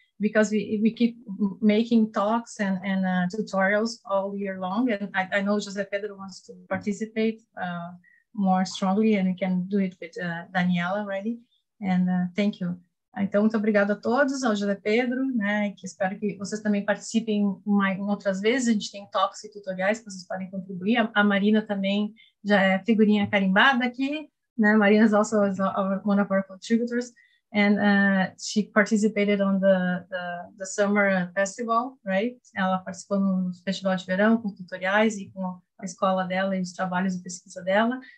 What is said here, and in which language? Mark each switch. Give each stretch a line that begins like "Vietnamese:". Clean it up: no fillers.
English: Because we keep making talks and tutorials all year long. And I know José Pedro wants to participate more strongly, and we can do it with Daniela already. And thank you.
Portuguese: Então, muito obrigada a todos, ao José Pedro, né, que espero que vocês também participem em outras vezes. A gente tem talks e tutoriais que vocês podem contribuir. A Marina também já é figurinha carimbada aqui, né?
English: Marina is also one of our contributors, and she participated on the summer festival, right?
Portuguese: Ela participou no festival de verão com tutoriais e com a escola dela e os trabalhos de pesquisa dela.